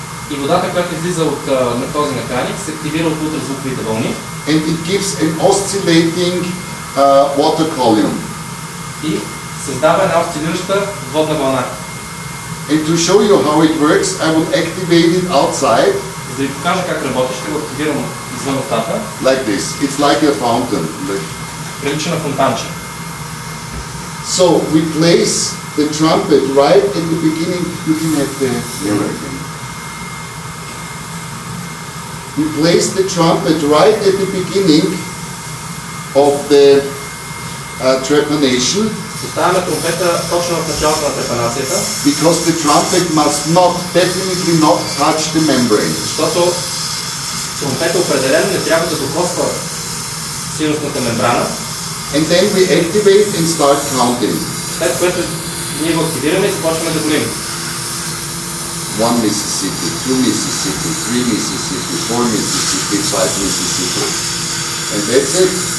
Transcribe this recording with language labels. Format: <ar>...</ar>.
<bg>И водата, която излиза от на този направник, се активира от ултразвуковите вълни.</bg> <en>And it gives an oscillating water column.</en> <bg>И създава една осцилираща водна вълна.</bg> <en>And to show you how it works, I will activate it outside.</en> <bg>За да ви покажа как работи, ще го активирам извън устата.</bg> <en>Like this. It's like a fountain. Like...</en> <bg>Прилича на фонтанче.</bg> <en>So, we place the trumpet right at the beginning. You can have the mirror again. We place the trumpet right at the beginning of the trepanation.</en> <bg>Поставяме тромпета точно в началото на трепанацията.</bg> <en>Because the trumpet must not, definitely not touch the membrane.</en> <bg>Защото тромпета определено не трябва да докосва синусната мембрана.</bg> <en>And then we activate and start counting.</en> <bg>След което ние го активираме и започваме да броим.</bg> <en>1 Mississippi, 2 Mississippi, 3 Mississippi, 4 Mississippi, 5 Mississippi. And that's it.</en>